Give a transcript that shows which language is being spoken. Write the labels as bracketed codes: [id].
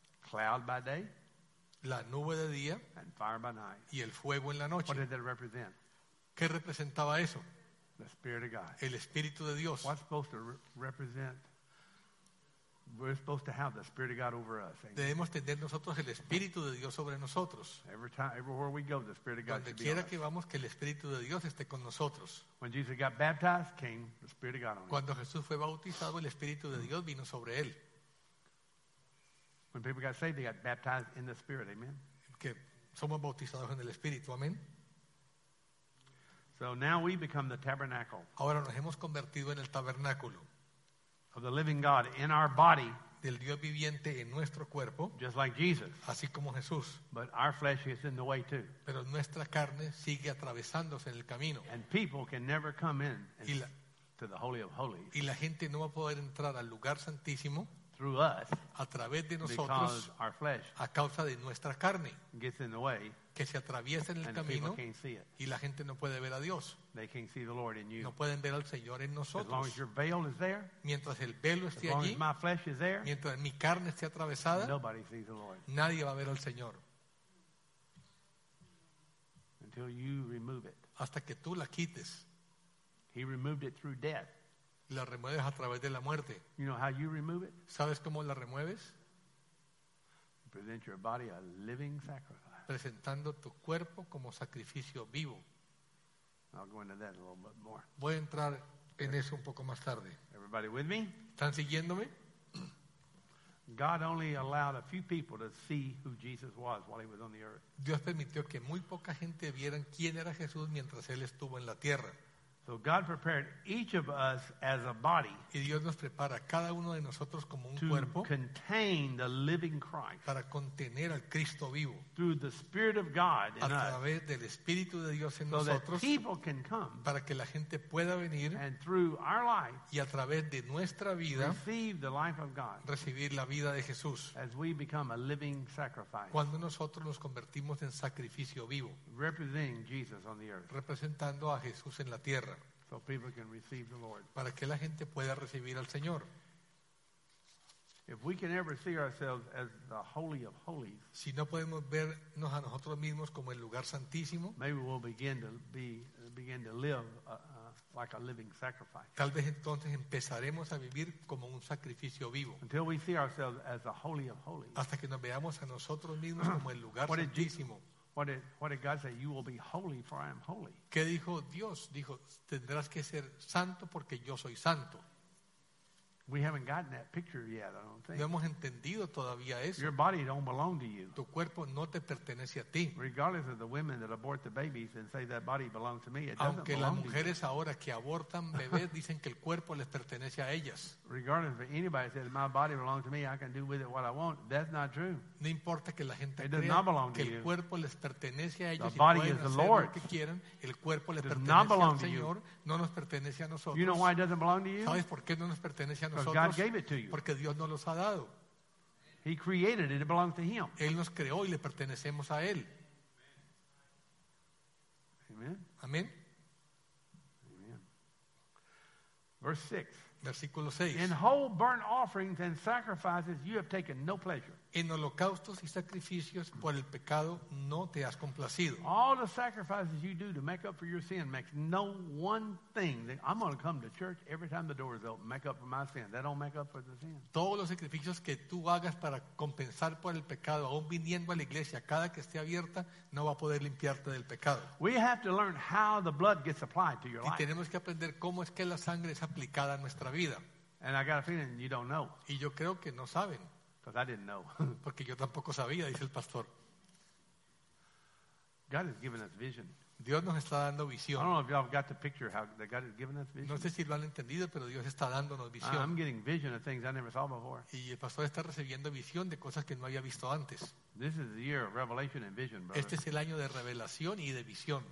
[en] Cloud by day. [es] La nube de día. [en] And fire by night. [es] Y el fuego en la noche. [en] What did that represent? [es] ¿Qué representaba eso? [en] The Spirit of God. [es] El Espíritu de Dios. [en] What's supposed to represent? We're supposed to have the Spirit of God over us. Amen. [es] Debemos tener nosotros el Espíritu de Dios sobre nosotros. [en] Every time, everywhere we go, the Spirit of God. [es] Donde quiera que vamos, que el Espíritu de Dios esté con nosotros. [en] When Jesus got baptized, came the Spirit of God on him. [es] Cuando Jesús fue bautizado, el Espíritu de Dios vino sobre él. [en] When people got saved, they got baptized in the Spirit. Amen. [es] Que somos bautizados en el Espíritu. Amen. [en] So now we become the tabernacle. [es] Ahora nos hemos convertido en el tabernáculo. [en] Of the living God in our body. [es] Del Dios viviente en nuestro cuerpo. [en] Just like Jesus. [es] Así como Jesús. [en] But our flesh is in the way too. [es] Pero nuestra carne sigue atravesándose en el camino. [en] And people can never come in to the Holy of Holies. [es] Y la gente no va a poder entrar al lugar santísimo. [en] Through us. [es] A través de nosotros. [en] Because our flesh. [es] A causa de nuestra carne. [en] Gets in the way. [es] Que se atraviesa en el camino y la gente no puede ver a Dios. [en] They can't see the Lord in you. [es] No pueden ver al Señor en nosotros. [en] As long as your veil is there, [es] mientras el velo esté allí, [en] my flesh is there, [es] mientras mi carne esté atravesada, [en] nobody sees the Lord. [es] Nadie va a ver al Señor. [en] Until you remove it. [es] Hasta que tú la quites. [en] He removed it through death. [es] La remueves a través de la muerte. [en] You know how you remove it? [es] ¿Sabes cómo la remueves? [en] You present your body a living sacrifice. [es] Presentando tu cuerpo como sacrificio vivo. [en] I'll go into that a little bit more. [es] Voy a entrar en eso un poco más tarde. [en] Everybody with me? [es] ¿Están siguiéndome? [en] God only allowed a few people to see who Jesus was while he was on the earth. [es] Dios permitió que muy poca gente vieran quién era Jesús mientras él estuvo en la tierra. [en] So God prepared each of us as a body. [es] Y Dios nos prepara cada uno de nosotros como un cuerpo. [en] To contain the living Christ. [es] Para contener al Cristo vivo. [en] Through the Spirit of God in us. [es] A través del Espíritu de Dios en nosotros. [en] So that people can come. [es] Para que la gente pueda venir. [en] And through our life. [es] Y a través de nuestra vida. [en] Receive the life of God. [es] Recibir la vida de Jesús. [en] As we become a living sacrifice. [es] Cuando nosotros nos convertimos en sacrificio vivo. [en] Representing Jesus on the earth. [es] Representando a Jesús en la tierra. [en] So people can receive the Lord. [es] Para que la gente pueda recibir al Señor. [en] If we can ever see ourselves as the Holy of Holies, [es] si no podemos vernos a nosotros mismos como el lugar santísimo, [en] maybe we'll begin to live like a living sacrifice. [es] Tal vez entonces empezaremos a vivir como un sacrificio vivo. [en] Until we see ourselves as the Holy of Holies. [es] Hasta que nos veamos a nosotros mismos como el lugar santísimo. [en] What did God say? You will be holy, for I am holy. [es] ¿Qué dijo Dios? Dijo, tendrás que ser santo porque yo soy santo. [en] We haven't gotten that picture yet, I don't think. [es] No hemos entendido todavía eso. [en] Your body don't belong to you. [es] Tu cuerpo no te pertenece a ti. [en] Regardless of the women that abort the babies and say that body belongs to me, it doesn't belong to you. [es] Aunque las mujeres ahora que abortan bebés dicen que el cuerpo les pertenece a ellas. [en] Regardless of anybody says my body belongs to me, I can do with it what I want, that's not true. [es] No importa que la gente [en] it does not belong [es] que [en] to [es] el [en] you. [es] Cuerpo les pertenece a ellos the y [en] body [es] pueden [en] is the [es] hacer [en] Lord. [es] Lo que quieran, el cuerpo les pertenece al Señor, no nos pertenece a nosotros. [en] You know why it doesn't belong to you? [es] ¿Sabes por qué no nos pertenece a nosotros? [en] God gave it to you. [es] Porque Dios no los ha dado. [en] He created it, it belongs to him. [es] Él nos creó y le pertenecemos a él. [en] Amen. [es] Amen. [en] Amen. Verse 6. [es] Versículo 6. [en] In whole burnt offerings and sacrifices you have taken no pleasure. [es] En holocaustos y sacrificios por el pecado no te has complacido. [en] All the sacrifices you do to make up for your sin makes no one thing. That I'm going to come to church every time the door is open, make up for my sin. That don't make up for the sin. [es] Todos los sacrificios que tú hagas para compensar por el pecado, aún viniendo a la iglesia, cada que esté abierta, no va a poder limpiarte del pecado. [en] We have to learn how the blood gets applied to your life. [es] Y tenemos que aprender cómo es que la sangre es aplicada a nuestra vida. [en] And I got a feeling you don't know. [es] Y yo creo que no saben. [en] Because I didn't know. [es] Porque yo tampoco sabía, dice el pastor. [en] God has given us vision. [es] Dios nos está dando visión. [en] I don't know if y'all got the picture how that God has given us vision. [es] No sé si lo han entendido, pero Dios está dándonos visión. [en] I'm getting vision of things I never saw before. [es] Y el pastor está recibiendo visión de cosas que no había visto antes. [en] This is the year of revelation and vision, brother. [es] Este es el año de revelación y de visión.